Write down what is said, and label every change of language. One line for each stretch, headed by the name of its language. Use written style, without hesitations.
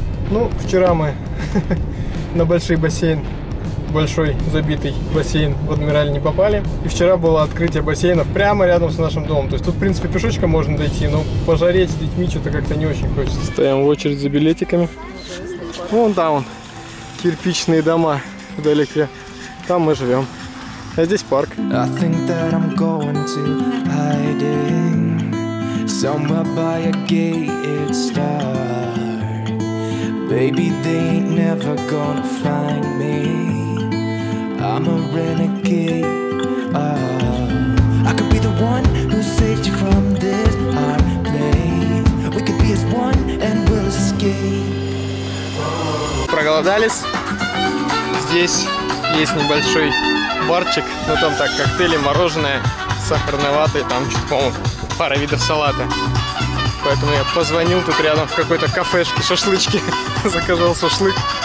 Russian: Ну, вчера мы на большой бассейн, большой забитый бассейн в Адмирале не попали. И вчера было открытие бассейнов прямо рядом с нашим домом. То есть тут, в принципе, пешочком можно дойти, но пожареть с детьми что-то как-то не очень хочется. Стоим в очередь за билетиками. Вон там, вон, кирпичные дома вдалеке. Там мы живем. А здесь парк.
English: I think that I'm going to hide in somewhere by a gated star. Baby, they ain't never gonna find me. I'm a renegade, oh. I could be the one who saved you from this hard place. We could be as one and we'll escape.
Russian: Проголодались. Здесь есть небольшой барчик. Ну там так, коктейли, мороженое, сахарная вата. И там чуть, по-моему, пара видов салата. Поэтому я позвонил тут рядом в какой-то кафешке, шашлычке. Заказал шашлык.